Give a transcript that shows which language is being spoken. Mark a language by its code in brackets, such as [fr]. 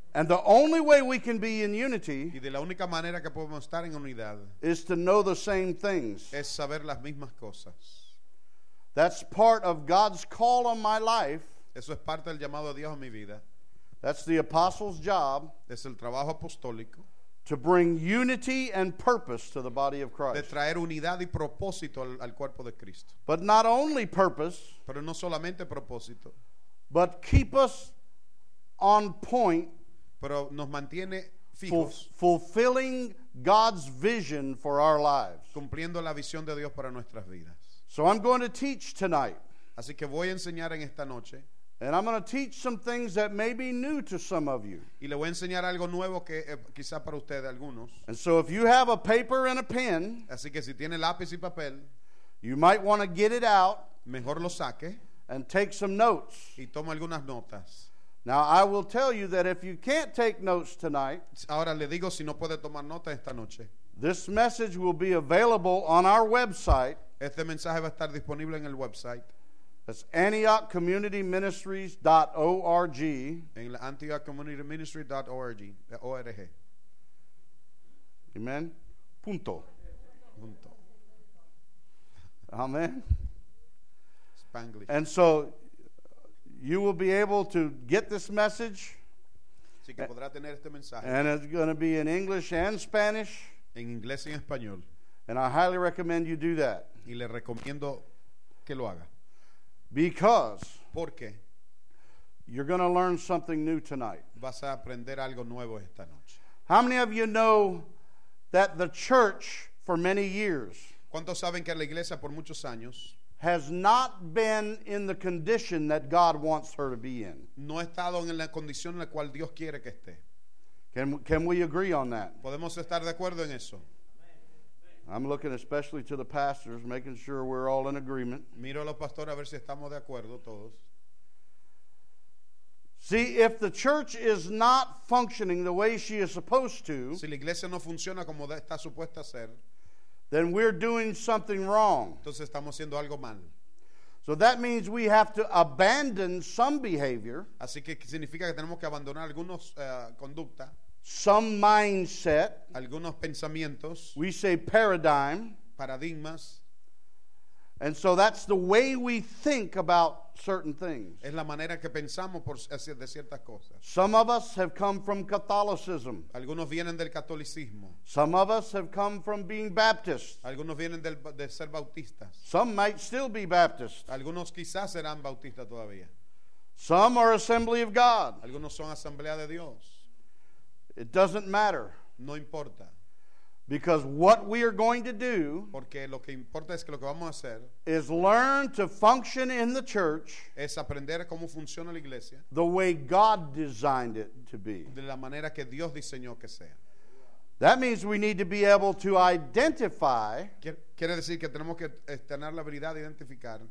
[en] And the only way we can be in unity, [es] y de la única manera que podemos estar en unidad, [en] is to know the same things. [es] Es saber las mismas cosas. [en] That's part of God's call on my life. [es] Eso es parte del llamado de Dios a mi vida. [en] That's the apostle's job. [es] Es el trabajo apostólico. [en] To bring unity and purpose to the body of Christ. [es] De traer unidad y propósito al cuerpo de Cristo. [en] But not only purpose. [es] Pero no solamente propósito. [en] But keep us on point. [es] Pero nos mantiene fijos. [en] Fulfilling God's vision for our lives. [es] Cumpliendo la visión de Dios para nuestras vidas. [en] So I'm going to teach tonight. [es] Así que voy a enseñar en esta noche. [en] And I'm going to teach some things that may be new to some of you. [es] Y le voy a enseñar algo nuevo que quizá para ustedes algunos. [en] And so if you have a paper and a pen, [es] así que si tiene lápiz y papel, [en] you might want to get it out, [es] mejor lo saque, [en] and take some notes. [es] Y toma algunas notas. [en] Now I will tell you that if you can't take notes tonight, [es] ahora le digo si no puede tomar notas esta noche. [en] This message will be available on our website. [es] Este mensaje va a estar disponible en el website. [en] That's AntiochCommunityMinistries.org. [es] En la AntiochCommunityMinistries.org. O-R-G. Amen. Punto. Punto. Amen. [en] Spanglish. And so, you will be able to get this message. [es] Sí que podrá tener este mensaje. [en] And it's going to be in English and Spanish. [es] En inglés y en español. [en] And I highly recommend you do that. [es] Y le recomiendo que lo haga. [en] Because [es] porque [en] you're going to learn something new tonight. [es] Vas a aprender algo nuevo esta noche. [en] How many of you know that the church for many years, [es] ¿cuántos saben que la iglesia por muchos años, [en] has not been in the condition that God wants her to be in? [es] No ha estado en la condición en la cual Dios quiere que esté. [en] Can we agree on that? [es] ¿Podemos estar de acuerdo en eso? [en] I'm looking especially to the pastors, making sure we're all in agreement. [es] Miro a los pastores a ver si estamos de acuerdo todos. [en] See, if the church is not functioning the way she is supposed to, [es] si la iglesia no funciona como está supuesta a ser, [en] then we're doing something wrong. [es] Entonces estamos haciendo algo mal. [en] So that means we have to abandon some behavior. [es] Así que significa que tenemos que abandonar algunos conducta. [en] Some mindset, [es] algunos pensamientos, [en] we say paradigm, [es] paradigmas, [en] and so that's the way we think about certain things. [es] Es la manera que pensamos por hacer de ciertas cosas. [en] Some of us have come from Catholicism. [es] Algunos vienen del catolicismo. [en] Some of us have come from being Baptist. [es] Algunos vienen de ser bautistas. [en] Some might still be Baptist. [es] Algunos quizás serán bautistas todavía. [en] Some are Assembly of God. [es] Algunos son Asamblea de Dios. [en] It doesn't matter. [es] No importa. [en] Because what we are going to do, [es] porque lo que importa es que lo que vamos a hacer, [en] is learn to function in the church, [es] es aprender cómo funciona la iglesia, [en] the way God designed it to be, [es] de la manera que Dios diseñó que sea. [en] That means we need to be able to identify, [es] quiere decir que tenemos que tener la habilidad de identificar,